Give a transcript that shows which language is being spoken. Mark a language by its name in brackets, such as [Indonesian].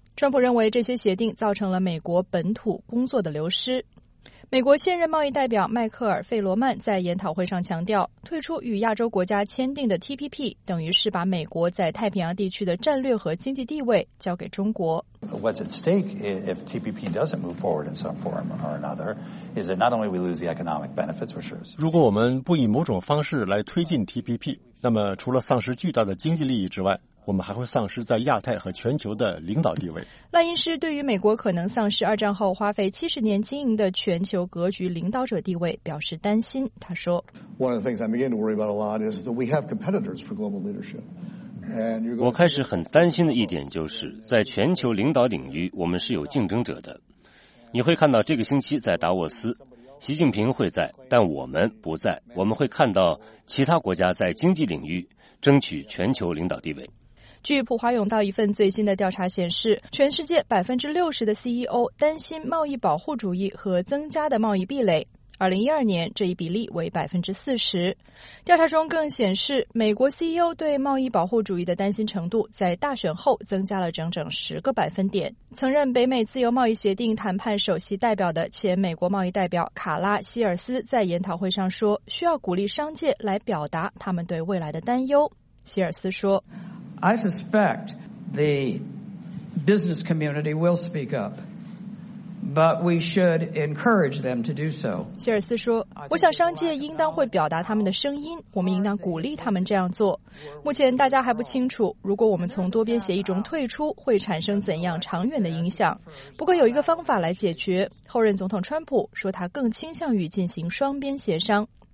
[Chinese] 川普认为这些协定造成了美国本土工作的流失。美国现任贸易代表迈克尔·费罗曼在研讨会上强调，退出与亚洲国家签订的 TPP 等于是把美国在太平洋地区的战略和经济地位交给中国。 [English] What's at stake if TPP doesn't move forward in some form or another is that not only we lose the economic benefits for sure. [Chinese] 如果我们不以某种方式来推进 TPP， 那么除了丧失巨大的经济利益之外，我们还会丧失在亚太和全球的领导地位。赖因斯对于美国可能丧失二战后花费70年经营的全球格局领导者地位表示担心。他说 [English] ：“One of the things I'm beginning to worry about a lot is that we have competitors for global leadership.” [Chinese] 我开始很担心的一点就是，在全球领导领域，我们是有竞争者的。你会看到这个星期在达沃斯，习近平会在，但我们不在。我们会看到其他国家在经济领域争取全球领导地位。据普华永道一份最新的调查显示，全世界60%的 CEO 担心贸易保护主义和增加的贸易壁垒。 2012年，这一比例为40%。调查中更显示，美国 CEO 对贸易保护主义的担心程度在大选后增加了整整10个百分点。曾任北美自由贸易协定谈判首席代表的前美国贸易代表卡拉希尔斯在研讨会上说，需要鼓励商界来表达他们对未来的担忧。希尔斯说。 [English] I suspect the business community will speak up, but we should encourage them to do so. [Chinese] 希尔斯说，我想商界应当会表达他们的声音，我们应当鼓励他们这样做。目前大家还不清楚，如果我们从多边协议中退出，会产生怎样长远的影响。不过有一个方法来解决，后任总统川普说他更倾向于进行双边协商。